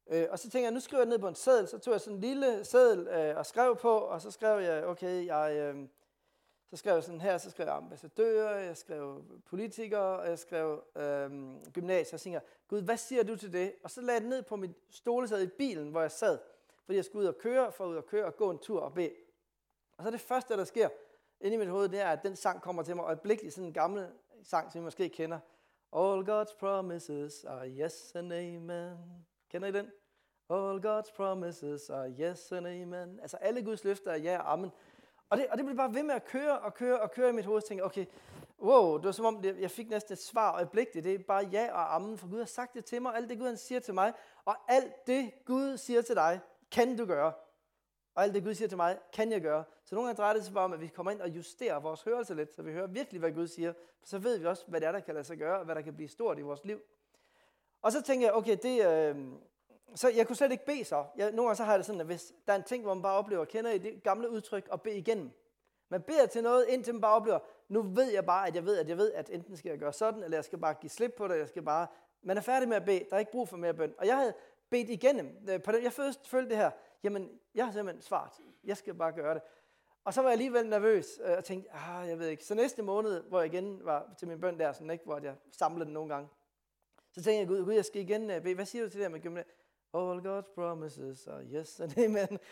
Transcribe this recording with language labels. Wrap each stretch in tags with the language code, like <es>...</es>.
<da>Og så tænker jeg, nu skriver jeg ned på en seddel, så tog jeg sådan en lille seddel og skrev på, og så skrev jeg, okay, så skrev jeg sådan her, så skrev jeg ambassadører, jeg skrev politikere, og jeg skrev gymnasier. Så tænker jeg, Gud, hvad siger du til det? Og så lagde jeg det ned på mit stolesæde i bilen, hvor jeg sad, fordi jeg skulle ud og køre, og gå en tur og bede. Og så det første, der sker inde i mit hoved, det er, at den sang kommer til mig øjeblikkeligt, sådan en gammel sang, som I måske kender.</da> <en>All God's promises are yes and amen.</en> <da>Kender I den?</da> <en>All God's promises are yes and amen.</en> <da>Altså alle Guds løfter er ja og amen. Og det blev bare ved med at køre og køre og køre i mit hoved, og tænkte, okay, wow, det var som om, jeg fik næsten et svar og et blik, det er bare ja og amen, for Gud har sagt det til mig, alt det Gud han siger til mig, og alt det Gud siger til dig, kan du gøre. Og alt det Gud siger til mig, kan jeg gøre. Så nogle gange drejer det sig bare om, at vi kommer ind og justerer vores hørelse lidt, så vi hører virkelig, hvad Gud siger, for så ved vi også, hvad det er, der kan lade sig gøre, og hvad der kan blive stort i vores liv. Og så tænker jeg, okay, så jeg kunne slet ikke bede så. Nogle gange så har jeg det sådan, at hvis der er en ting, hvor man bare oplever, kender I det gamle udtryk, at bede igennem. Man beder til noget, indtil man bare oplever, nu ved jeg bare, at enten skal jeg gøre sådan, eller jeg skal bare give slip på det, man er færdig med at bede, der er ikke brug for mere bøn. Og jeg havde bedt igennem, jeg først følte det her, jamen, jeg har simpelthen svaret, jeg skal bare gøre det. Og så var jeg alligevel nervøs og tænkte, jeg ved ikke. Så næste måned, hvor jeg igen var til min bøn der, sådan, ikke, hvor jeg samlede den nogle gange, så tænkte jeg, Gud, jeg skal igen bede. Hvad siger du til det her med gymnasiet?</da> <en>All God's promises are yes and amen.</en>